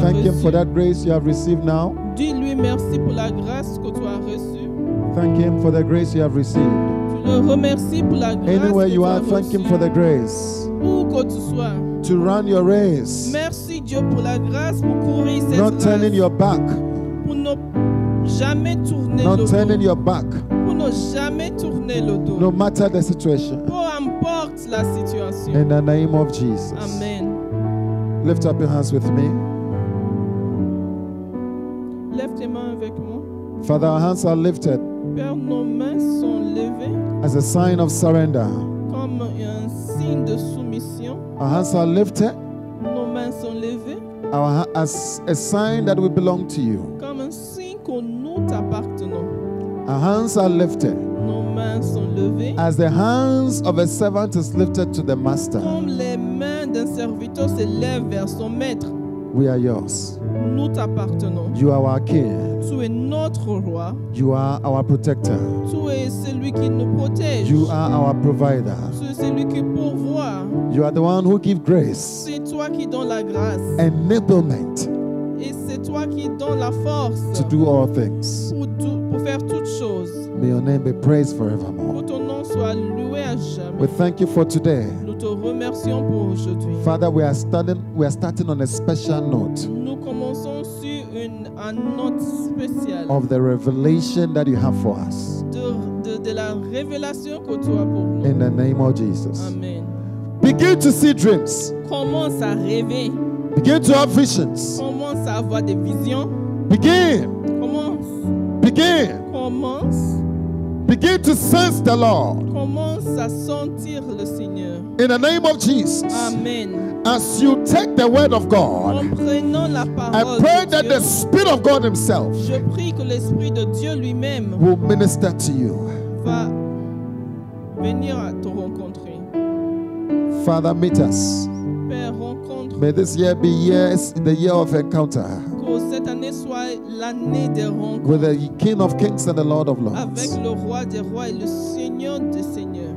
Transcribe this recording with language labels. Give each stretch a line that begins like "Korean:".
English: Thank him for that grace you have received now.
French: Dis-lui merci pour la grâce que tu as reçue.
English: Thank him for the grace you have received.
French: Tu le remercies pour la grâce.
English: Anywhere you are, thank him for the grace.
French: Où que tu sois.
English: To run your race.
French: Merci Dieu pour la grâce pour courir cette
English: race. Not turning your back.
French: Pour ne jamais tourner le dos.
English: Not turning your back.
French: Pour ne jamais tourner le dos.
English: No matter the situation.
French: Peu importe la situation.
English: In the name of Jesus. Amen. Lift up your hands with me.
French: Lève tes mains avec moi.
English: Father, our hands are lifted.
French: Père, nos mains sont levées.
English: As a sign of surrender.
French: Comme un signe de soumission.
English: Our hands are lifted.
French: Nos mains sont levées.
English: As a sign that we belong to you.
French: Comme un signe que nous t'appartenons.
English: Our hands are lifted.
French: Nos mains sont levées.
English: As the hands of a servant is lifted to the master.
French: Comme les mains d'un serviteur se lèvent vers son maître.
English: We are yours.
French: Nous t'appartenons.
English: You are our king.
French: Tu es notre roi.
English: You are our protector.
French: Tu es celui qui nous protège.
English: You are our provider.
French: Tu es celui qui pourvoit.
English: You are the one who gives grace.
French: C'est toi qui donnes la grâce.
English: Enablement.
French: Et c'est toi qui donnes la force.
English: To do all things.
French: Pour faire toutes choses.
English: May your name be praised forevermore.
French: Que ton nom soit loué à jamais.
English: We thank you for today.
French: Nous te remercions pour aujourd'hui.
English: Father, we are starting on a special note.
French: Nous commençons sont sur une annonce spéciale
English: of the revelation that you have for us.
French: De la révélation que tu as pour nous.
English: In the name of Jesus. Amen. Begin to see dreams.
French: Commence à rêver.
English: Begin to have visions.
French: Commence à avoir des visions.
English: Begin.
French: Commence.
English: Begin.
French: Commence.
English: Begin to sense the Lord.
French: Commence à sentir le Seigneur.
English: In the name of Jesus. Amen. As you take the word of God, I pray that
French: Dieu,
English: the Spirit of God Himself,
French: je prie que l'Esprit de Dieu lui-même,
English: will minister to you.
French: Va venir à te rencontrer.
English: Father, meet us. May this year be years, the year of encounter.
French: Cette année soit l'année des rencontres.
English: With the King of Kings and the Lord of Lords.
French: Avec le roi des rois et le Seigneur des seigneurs.